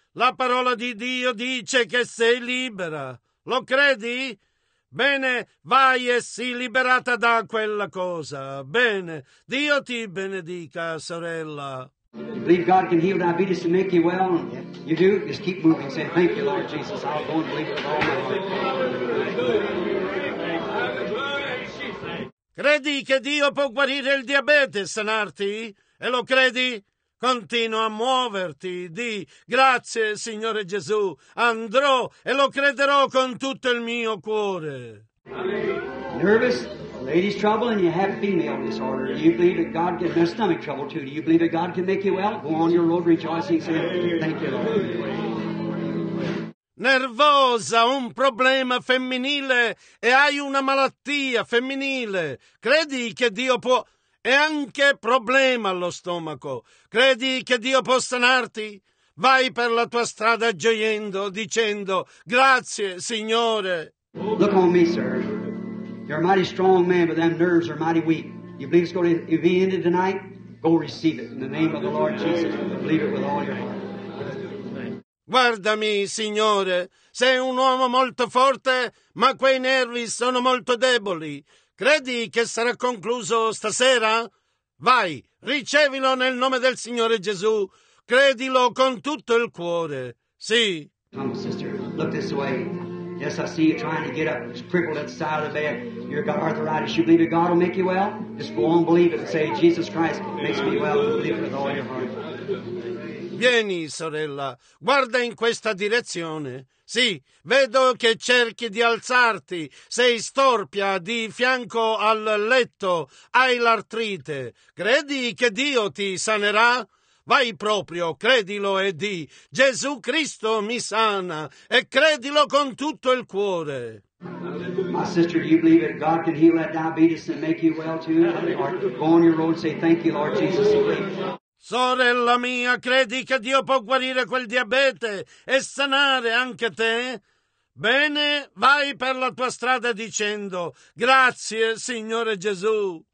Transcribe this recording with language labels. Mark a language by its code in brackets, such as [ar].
[it] La parola di Dio dice che sei libera. Lo credi? Bene, vai e sii liberata da quella cosa. Bene, Dio ti benedica, sorella. [en] You believe God can heal diabetes and make you well? You do? Just keep moving. Say, thank you, Lord Jesus. I'll go and believe it all. [it] Credi che Dio può guarire il diabete e sanarti? E lo credi? Continua a muoverti, di grazie Signore Gesù, andrò e lo crederò con tutto il mio cuore. [en] Nervous? A lady's trouble and you have female disorder. Do you believe that God can, there's stomach trouble too. Do you believe that God can make you well? Go on your road rejoicing, say, thank you, Lord. [it] Nervosa, un problema femminile e hai una malattia femminile. Credi che Dio può... E anche problema allo stomaco. Credi che Dio può sanarti? Vai per la tua strada gioiendo, dicendo grazie, Signore. [en] Look on me, sir. You're a mighty strong man, but them nerves are mighty weak. You believe it's going to be ended tonight? Go receive it in the name of the Lord Jesus. Believe it with all your heart. [it] Guardami, Signore. Sei un uomo molto forte, ma quei nervi sono molto deboli. Credi che sarà concluso stasera? Vai, ricevilo nel nome del Signore Gesù. Credilo con tutto il cuore. Sì. [en] Come, sister, look this way. Yes, I see you trying to get up. It's crippled at the side of the bed. You've got arthritis. You believe that God will make you well? Just go on, believe it and say, Jesus Christ makes me well. Believe it with all your heart. [it] Vieni, sorella. Guarda in questa direzione. Sì, vedo che cerchi di alzarti. Sei storpia di fianco al letto. Hai l'artrite. Credi che Dio ti sanerà? Vai proprio, credilo e di Gesù Cristo mi sana. E credilo con tutto il cuore. [en] My sister, do you believe that God can heal that diabetes and make you well too? Or go on your road and say thank you, Lord Jesus. [it] Sorella mia, credi che Dio può guarire quel diabete e sanare anche te? Bene, vai per la tua strada dicendo grazie, Signore Gesù.